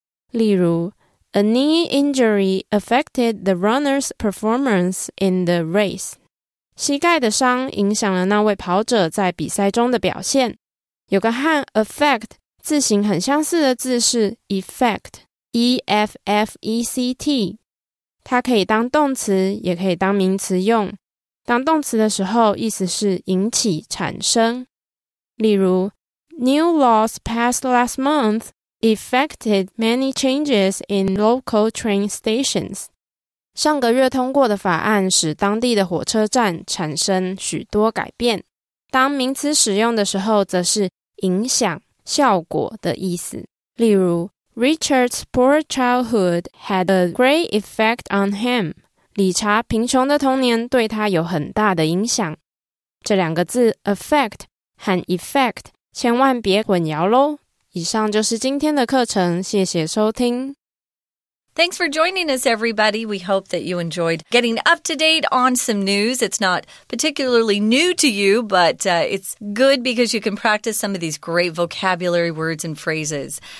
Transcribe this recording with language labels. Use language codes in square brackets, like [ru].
[zh] 例如 [en] A knee injury affected the runner's performance in the race. [zh] 膝盖的伤影响了那位跑者在比赛中的表现。有个和 affect 字形很相似的字是 effect, E-F-F-E-C-T, 它可以当动词也可以当名词用。当动词的时候意思是引起、产生。例如 [en] New laws passed last month affected many changes in local train stations. [zh] 上个月通过的法案使当地的火车站产生许多改变。当名词使用的时候则是影响、效果的意思。例如 [en] Richard's poor childhood had a great effect on him. [zh] 理查贫穷的童年对他有很大的影响。这两个字 affect 和 effect 千万别混淆咯。以上就是今天的课程，谢谢收听。 [en] Thanks for joining us, everybody. We hope that you enjoyed getting up to date on some news. It's not particularly new to you, but it's good because you can practice some of these great vocabulary words and phrases.